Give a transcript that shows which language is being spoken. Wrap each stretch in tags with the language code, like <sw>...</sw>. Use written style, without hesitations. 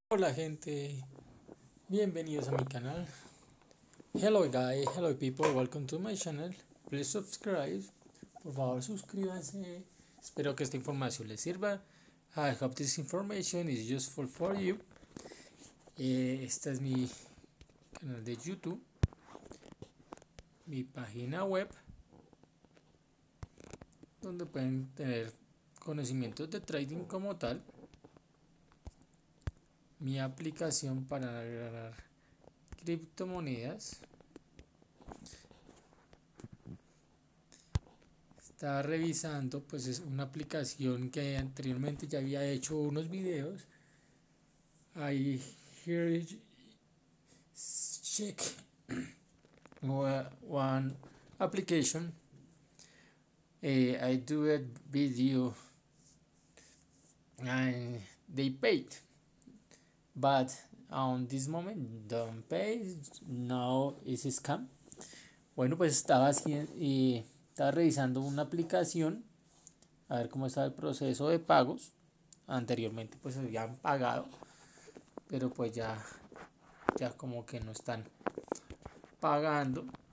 <es>Hola gente, bienvenidos a mi canal.</es> <en>Hello guys, hello people, welcome to my channel. Please subscribe,</en> <es>por favor suscríbanse. Espero que esta información les sirva.</es> <en>I hope this information is useful for you.</en> <es>Este es mi canal de YouTube, mi página web, donde pueden tener conocimientos de trading como tal. Mi aplicación para ganar criptomonedas. Estaba revisando, pues es una aplicación que anteriormente ya había hecho unos videos.</es> <en>Ahí, here check one application. I do a video and they paid. But on this moment don't pay, now is scam.</en> <es>Bueno, pues estaba haciendo y estaba revisando una aplicación a ver cómo estaba el proceso de pagos. Anteriormente pues habían pagado, pero pues ya como que no están pagando.</es>